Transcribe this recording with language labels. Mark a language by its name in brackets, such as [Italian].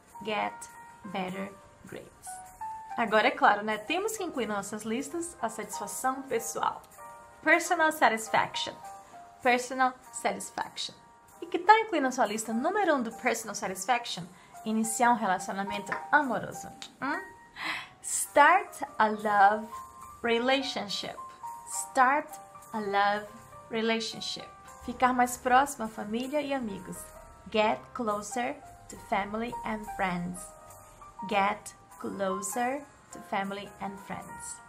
[English] Get better grades. [Portuguese] Agora é claro, né? Temos que incluir nossas listas a satisfação pessoal. [English] Personal satisfaction. Personal satisfaction. [Portuguese] E que tal incluir na sua lista número 1 do [English] personal satisfaction? [Portuguese] Iniciar um relacionamento amoroso. [English] Start a love relationship. Start a love relationship. [Portuguese] Ficar mais próximo à família e amigos. [English] Get closer to family and friends. Get closer to family and friends.